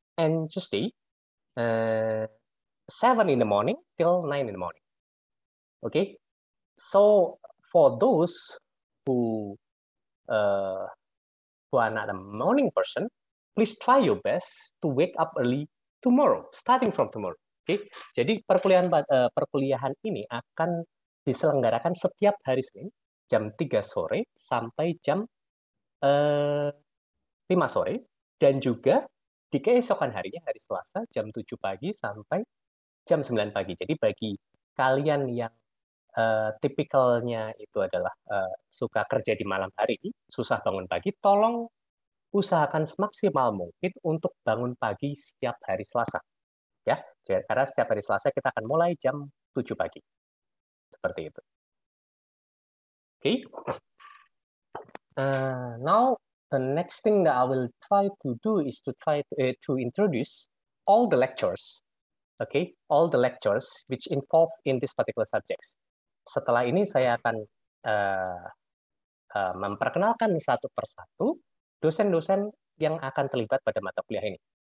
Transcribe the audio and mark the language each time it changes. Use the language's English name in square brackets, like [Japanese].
[English] and Tuesday, 7 in the morning till 9 in the morning. Okay? So for those who are not a morning person, please try your best to wake up early tomorrow, starting from tomorrow. Okay? [Indonesian] Jadi perkuliahan ini akan diselenggarakan setiap hari Senin jam 3 sore sampai jam 5 sore, dan juga di keesokan harinya, hari Selasa, jam 7 pagi sampai jam 9 pagi. Jadi bagi kalian yang tipikalnya itu adalah suka kerja di malam hari, susah bangun pagi, tolong usahakan semaksimal mungkin untuk bangun pagi setiap hari Selasa. Ya, karena setiap hari Selasa kita akan mulai jam 7 pagi. Seperti itu. Okay. [English] Now, the next thing that I will try to do is to try to introduce all the lectures. Okay, all the lectures which involve in this particular subjects. [Indonesian] Setelah ini saya akan memperkenalkan satu persatu dosen-dosen yang akan terlibat pada mata kuliah ini.